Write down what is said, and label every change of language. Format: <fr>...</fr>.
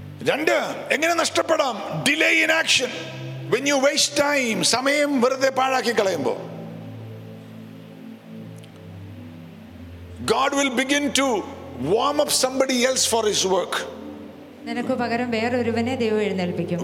<ml>രണ്ട്, എങ്ങനെ നഷ്ടപ്പെടാം?</ml> <en>delay in action when you waste time,</en> <ml>സമയം വെറുതെ പാഴാക്കി കളയുമ്പോ.</ml> <en>God will begin to warm up somebody else for his work.</en> <ml>നിനക്ക് പകരം വേറെ ഒരുവനെ ദൈവം എഴുന്നേൽപ്പിക്കും.</ml>